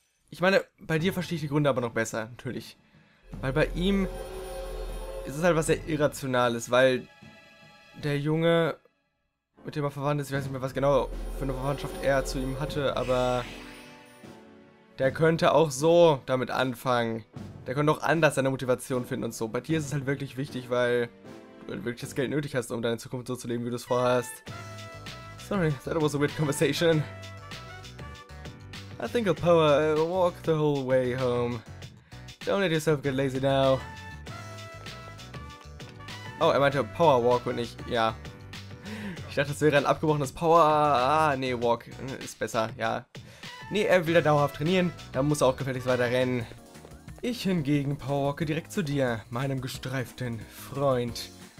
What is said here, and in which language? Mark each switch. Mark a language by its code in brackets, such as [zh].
[de] Ich meine, bei dir verstehe ich die Gründe aber noch besser, natürlich. Weil bei ihm ist es halt was sehr Irrationales, weil der Junge, mit dem er verwandt ist, ich weiß nicht mehr, was genau für eine Verwandtschaft er zu ihm hatte, aber der könnte auch so damit anfangen. Der könnte auch anders seine Motivation finden und so. Bei dir ist es halt wirklich wichtig, weil du wirklich das Geld nötig hast, um deine Zukunft so zu leben, wie du es vorhast. [en] Sorry, that was a weird conversation. I think I'll power walk the whole way home. Don't let yourself get lazy now. [de] Oh, er meinte Power Walk und nicht, ja. Ich dachte, das wäre ein abgebrochenes Power. Ah, nee, Walk ist besser, ja. Nee, er will da dauerhaft trainieren, dann muss er auch gefälligst weiter rennen. Ich hingegen powerwalke direkt zu dir, meinem gestreiften Freund.